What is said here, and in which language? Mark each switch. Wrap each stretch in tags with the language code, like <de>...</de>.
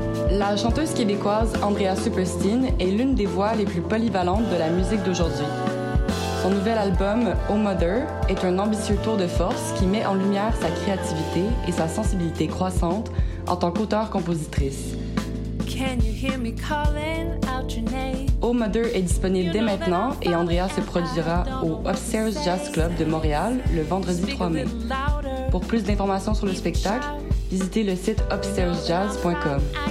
<fr>La chanteuse québécoise Andrea Superstein est l'une des voix les plus polyvalentes de la musique d'aujourd'hui. Son nouvel album, Oh Mother, est un ambitieux tour de force qui met en lumière sa créativité et sa sensibilité croissante en tant qu'auteure-compositrice.</fr> <en>Can you hear me calling out your name?</en> <fr>Oh Mother est disponible dès maintenant et Andrea se produira au Upstairs Jazz Club de Montréal le vendredi 3 mai. Pour plus d'informations sur le spectacle, visitez le site upstairsjazz.com.</fr>